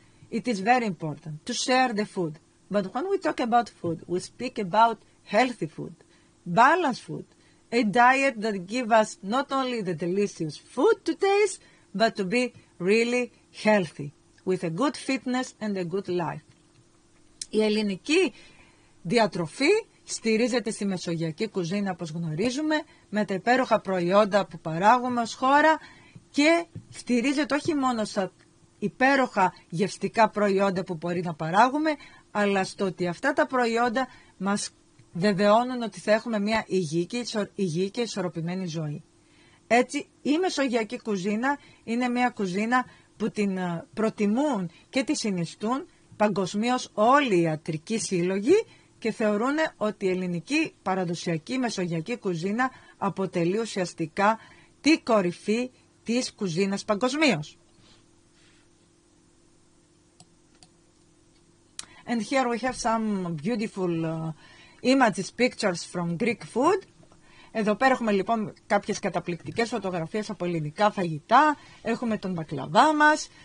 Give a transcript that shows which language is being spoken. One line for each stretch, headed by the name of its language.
English: It is very important to share the food. But when we talk about food, we speak about healthy food, balanced food, a diet that gives us not only the delicious food to taste, but to be really healthy, with a good fitness and a good life.
Greek: Η ελληνική διατροφή στηρίζεται στη μεσογειακή κουζίνα, όπως γνωρίζουμε, με τα υπέροχα προϊόντα που παράγουμε ως χώρα και στηρίζεται όχι μόνο στα υπέροχα γευστικά προϊόντα που μπορεί να παράγουμε, αλλά στο ότι αυτά τα προϊόντα μας βεβαιώνουν ότι θα έχουμε μια υγιή και ισορροπημένη ζωή. Έτσι, η μεσογειακή κουζίνα είναι μια κουζίνα που την προτιμούν και τη συνιστούν παγκοσμίως όλοι οι ιατρικοί σύλλογοι και θεωρούν ότι η ελληνική παραδοσιακή μεσογειακή κουζίνα αποτελεί ουσιαστικά τη κορυφή της κουζίνας παγκοσμίως.
English: And here we have some beautiful images, pictures from Greek food.
Greek: Εδώ πέρα έχουμε λοιπόν κάποιες καταπληκτικές φωτογραφίες από ελληνικά φαγητά. Έχουμε τον μπακλαβά μας.